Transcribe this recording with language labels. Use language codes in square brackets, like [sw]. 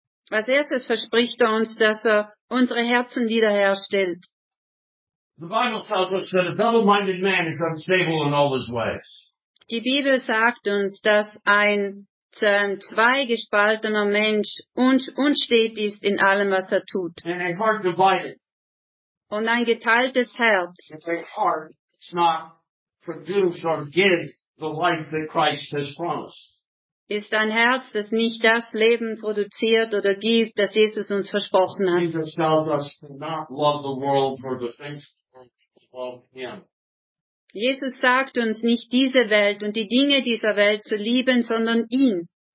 [de] Als erstes verspricht er uns, dass er unsere Herzen wiederherstellt. [en] The Bible tells us that a double-minded man is unstable in all his ways. [de] Die Bibel sagt uns, dass ein zweigespaltener Mensch unstet ist in allem, was er tut. [en] And a heart divided. [de] Und ein geteiltes Herz. [en] It's not produce or give the life that Christ has promised. [de] Ist ein Herz, das nicht das Leben produziert oder gibt, das Jesus uns versprochen hat. [en] Jesus tells us to not love the world for the things of him. [de] Jesus sagt uns nicht diese Welt und die Dinge dieser Welt zu lieben, sondern ihn.